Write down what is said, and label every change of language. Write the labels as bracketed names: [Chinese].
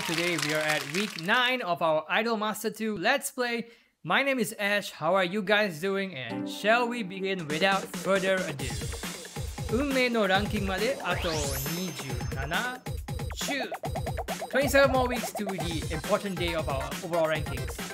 [English] Today we are at week 9 of our Idolmaster 2 Let's Play. My name is Ash, how are you guys doing? And shall we begin without further ado? [Japanese] 運命のランキングまであと27週。 [English] 27 more weeks to the important day of our overall rankings.